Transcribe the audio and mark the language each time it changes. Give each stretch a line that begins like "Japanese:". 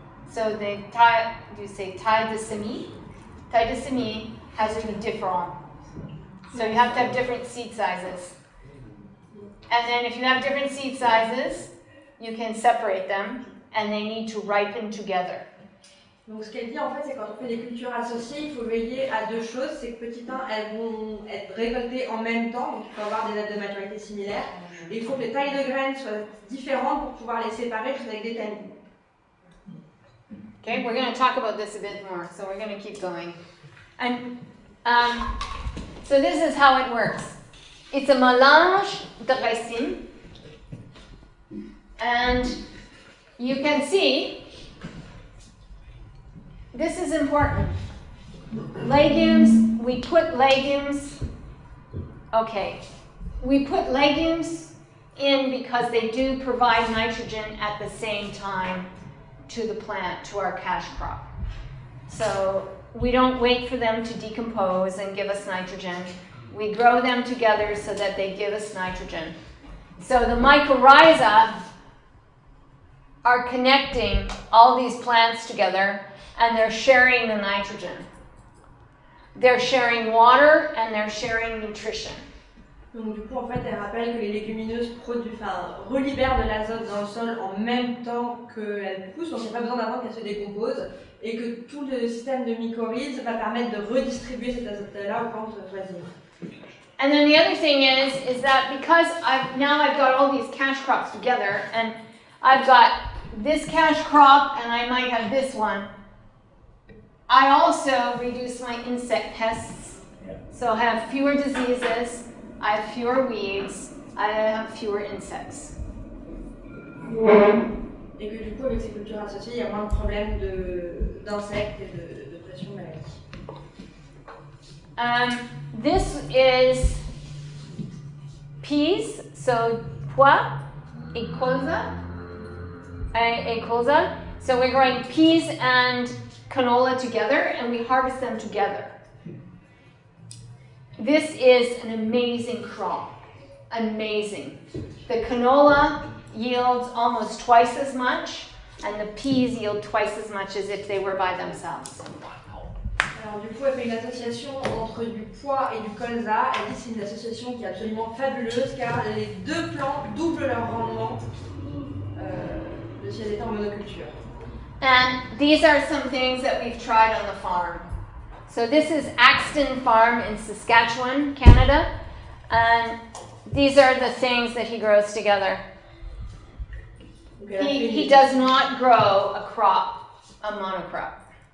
English: So they tie, do you say
French: taille de semis?
English: Taille de semis has to be different. So you have to have different seed sizes. And then if you have different seed sizes, you can separate them, and they need to ripen together.
French: Donc ce qu'elle dit en fait, c'est quand on fait des cultures associées, il faut veiller à deux choses. C'est que petit 1, elles vont être récoltées en même temps, donc il faut avoir des dates de maturité similaires. Et il faut que les tailles de graines soient différentes pour pouvoir les séparer avec des tannins.
English: Okay, we're going to talk about this a bit more, so we're going to keep going. And So this is how it works. It's a
French: mélange de racines.
English: And you can see, this is important. Legumes, we put legumes, okay. We put legumes in because they do provide nitrogen at the same time to the plant, to our cash crop. So we don't wait for them to decompose and give us nitrogen. We grow them together so that they give us nitrogen. So the mycorrhiza are connecting all these plants together and they're sharing the nitrogen. They're sharing water and they're sharing nutrition.
French: Donc du coup, en fait, elle rappelle que les légumineuses relibèrent de l'azote dans le sol en même temps qu'elles poussent, donc il n'y a pas besoin d'avant qu'elles se décomposent, et que tout le système de mycorhize va permettre de redistribuer cet azote-là aux plantes voisines.
English: And then the other thing is that because I've got all these cash crops together, and I've got this cash crop, and I might have this one, I also reduce my insect pests, so I have fewer diseases, I have fewer weeds, I have fewer insects.
French: Et que du coup, avec ces cultures associées, il y a moins de problèmes d'insectes et de pression maladique.
English: This is peas, so
French: pois et colza.
English: So we're growing peas and canola together and we harvest them together. This is an amazing crop, amazing. The canola yields almost twice as much, and the peas yield twice as much as if they were by themselves.
French: Alors du coup, elle fait une association entre du pois et du colza. Elle dit que c'est une association qui est absolument fabuleuse car les deux plants doublent leur rendement si elles étaient en monoculture.
English: And these are some things that we've tried on the farm. So this is Axton Farm in Saskatchewan, Canada. And these are the things that he grows together. Okay, he does not grow a crop, a monocrop.